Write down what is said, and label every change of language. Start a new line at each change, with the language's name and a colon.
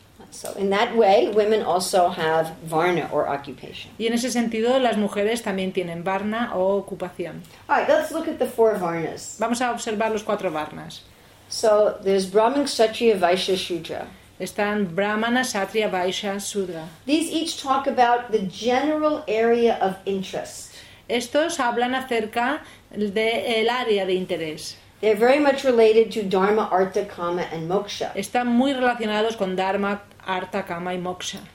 English: So in that way, women also have varna or occupation.
Spanish: Y en ese sentido, las mujeres también tienen varna o ocupación.
English: All right, let's look at the four varnas.
Spanish: Vamos a observar los cuatro varnas.
English: So there's Brahman, Kshatriya, Vaishya, Shudra.
Spanish: Están Brahmana, Kshatriya, Vaishya, Shudra.
English: These each talk about the general area of interest.
Spanish: Estos hablan acerca del área de interés.
English: They're very much related to Dharma, Artha, Kama, and Moksha.
Spanish: Están muy relacionados con Dharma, Artha, Kama y Moksha.